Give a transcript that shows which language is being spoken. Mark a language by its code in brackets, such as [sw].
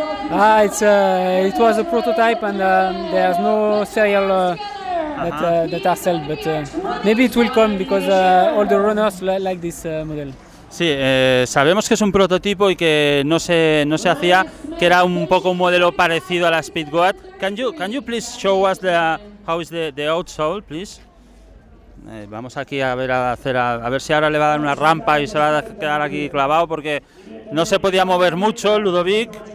[en] Ah, it's it was a prototype and there is no serial that are sold, but maybe it will come because all the runners like this model. [es] Sí, sabemos que es un prototipo y que no se hacía, que era un poco un modelo parecido a la Speed Goat. [en] Can you please show us how is the outsole, please? [es] Vamos aquí a ver a ver si ahora le va a dar una rampa y se va a quedar aquí clavado porque no se podía mover mucho Ludovic.